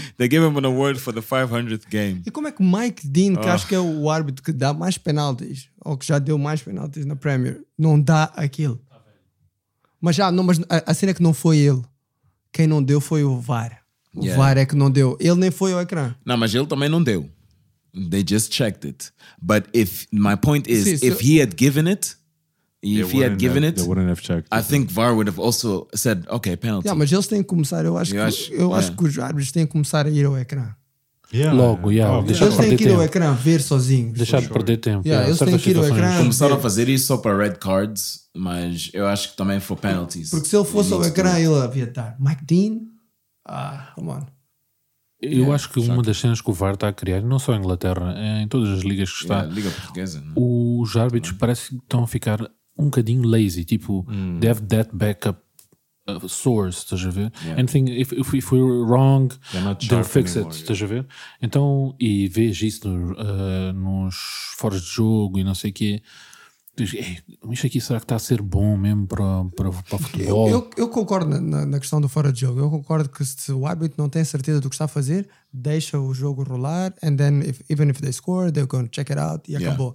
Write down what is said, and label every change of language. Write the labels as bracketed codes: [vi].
[en] They gave him an award for the 500th game. [pt] E como é que Mike Dean, que acho que é o árbitro que dá mais penaltis, ou que já deu mais penaltis na Premier, não dá aquilo? Mas já, não, mas a cena é que não foi ele. Quem não deu foi o VAR. VAR é que não deu. Ele nem foi ao ecrã. Não, mas ele também não deu. [en] They just checked it. But if, my point is, he had given it, they wouldn't have checked. I think VAR would have also said, okay, penalty. [pt] Yeah, mas eles têm que começar. Eu acho que os árbitros têm que começar a ir ao ecrã. Yeah. Logo, yeah. Eles têm que ir ao ecrã, ver sozinhos. Deixar de perder tempo. Yeah, eles têm que ir ao ecrã. Começaram a fazer isso só para red cards, mas eu acho que também [en] for penalties. [pt] Porque se ele fosse ao ecrã, ele havia de dar. [en] Mike Dean? Ah, come on. [pt] Eu acho que uma das cenas que o VAR está a criar, não só em Inglaterra, é em todas as ligas que está. Liga portuguesa. Os árbitros parece que estão a ficar um bocadinho lazy, tipo, [en] they have that backup source, [pt] estás a ver? [en] Yeah. Anything, if we're wrong, they'll fix it, [pt] estás a ver? Então, e vês isso nos fora de jogo e não sei o quê, isto aqui será que está a ser bom mesmo para o futebol? Eu concordo na questão do fora de jogo, eu concordo que se o árbitro não tem certeza do que está a fazer, deixa o jogo rolar, [en] and then, even if they score, they're going to check it out, [pt] e acabou.